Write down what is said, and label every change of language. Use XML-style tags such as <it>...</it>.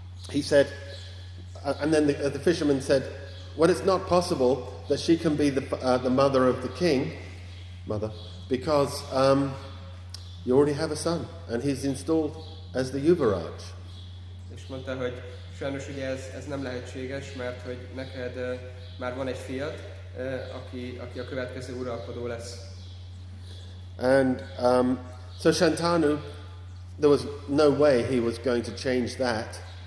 <en>He said, and then the fisherman said, well, it's not possible that she can be the mother of the king, mother, because you already have a son, and he's installed as the Yuvaraj.</en> <hu>És mondta, hogy sajnos ugye ez nem lehetséges, mert hogy neked már van egy fiad, aki a következő uralkodó lesz.</hu> <en>And so Shantanu, there was no way he was going to change that.</en>